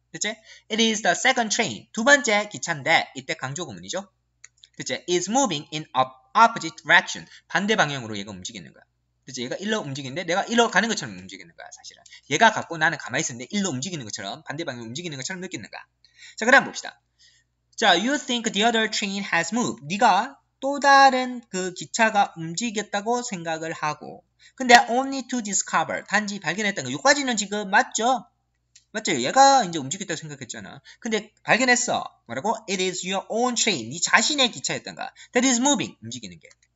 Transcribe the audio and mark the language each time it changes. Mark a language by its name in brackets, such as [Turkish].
[Korean] 그치? [English] It is the second train. [Korean] 두 번째 기차인데, 이때 강조구문이죠? 그치? [English] Is moving in opposite direction. [Korean] 반대 방향으로 얘가 움직이는 거야. 그치? 얘가 일로 움직이는데 내가 일로 가는 것처럼 움직이는 거야, 사실은. 얘가 갖고 나는 가만히 있었는데 일로 움직이는 것처럼, 반대 방향으로 움직이는 것처럼 느끼는 거야. 자, 그럼 봅시다. [English] 자, you think the other train has moved. [Korean] 네가 또 다른 그 기차가 움직였다고 생각을 하고. 근데 [English] only to discover. [Korean] 단지 발견했던 거. 여기까지는 지금 맞죠? 맞죠? 얘가 이제 움직였다고 생각했잖아. 근데 발견했어. 뭐라고? [English] It is your own train. [Korean] 네 자신의 기차였던가. [English] That is moving. [Korean] 움직이는 게.